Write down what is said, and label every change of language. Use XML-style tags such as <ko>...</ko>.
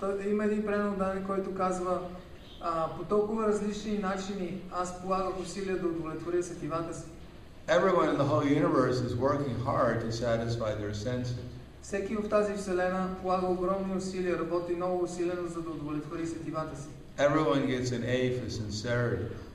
<bg>Има един преданник, който казва: по толкова различни начини аз полагах усилия да удовлетворя сетивата си.</bg> <en>Everyone in the whole universe is working hard to satisfy their senses.</en> <bg>Всеки в тази вселена полага огромни усилия, работи много усилено, за да удовлетвори сетивата си.</bg> <en>Everyone gets an A for sincerity.</en>